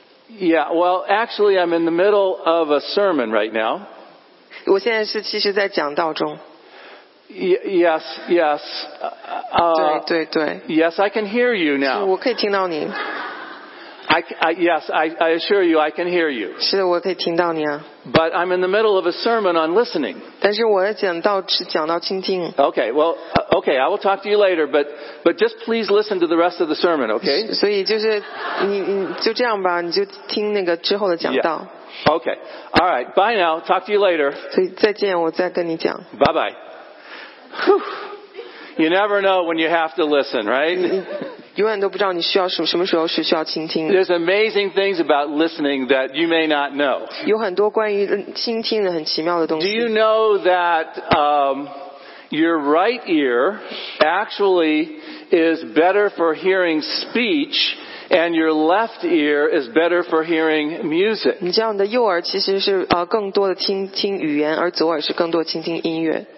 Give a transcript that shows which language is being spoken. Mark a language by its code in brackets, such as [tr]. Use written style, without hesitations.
[en] Yeah, well, actually, I'm in the middle of a sermon right now. [zh] 我现在是其实在讲道中。 [en] Yes, yes. [zh] 对对对。 [en] Yes, I can hear you now. [zh] 是，我可以听到你。 [en] I assure you, I can hear you. [zh] 是的，我可以听到你啊。 [en] But I'm in the middle of a sermon on listening. [zh] 但是我在讲道是讲到倾听。 [en] Okay, well, okay, I will talk to you later, but just please listen to the rest of the sermon, okay? [zh] 所以就是你就这样吧，你就听那个之后的讲道。 [en] Yeah. Okay, all right, bye now. Talk to you later. [zh] 所以再见，我再跟你讲。 [en] Bye bye. You never know when you have to listen, right? [zh] 永远都不知道你需要什么，什么时候是需要倾听。 [en] There's amazing things about listening that you may not know. [zh] 有很多关于倾听的很奇妙的东西。 [en] Do you know that your right ear actually is better for hearing speech, and your left ear is better for hearing music? [zh] 你知道你的右耳其实是更多的听语言，而左耳是更多倾听音乐。